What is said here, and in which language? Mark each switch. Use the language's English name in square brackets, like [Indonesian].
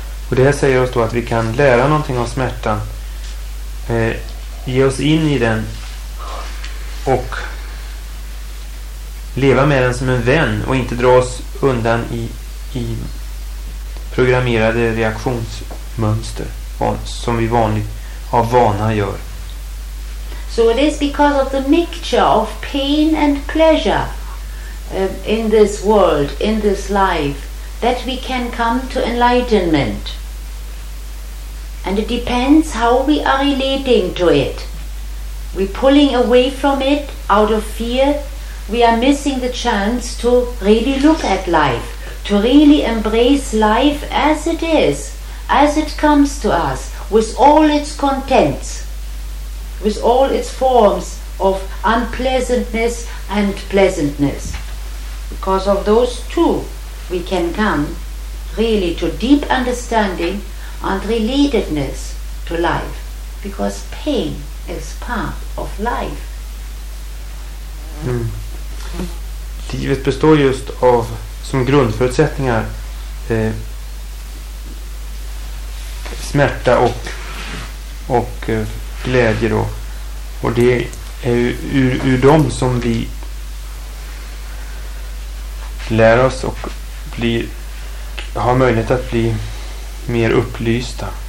[Swedish] Och det här säger oss då att vi kan lära någonting om smärtan. Ge oss in i den. Och leva med den som en vän. Och inte dra oss undan i programmerade reaktionsmönster. Som vi vanligt av vana gör. [English] So it is because of the mixture of pain and pleasure in this world, in this life, that we can come to enlightenment. And it depends how we are relating to it. We pulling away from it out of fear, we are missing the chance to really look at life, to really embrace life as it is, as it comes to us, with all its contents, with all its forms of unpleasantness and pleasantness. Because of those two, we can come really to deep understanding and relatedness to life, because pain is part of life. Mm. [Swedish] Livet består just av som grundförutsättningar smärta och glädje då. Och det är ur dem som vi lär oss och blir, har möjlighet att bli mer upplysta.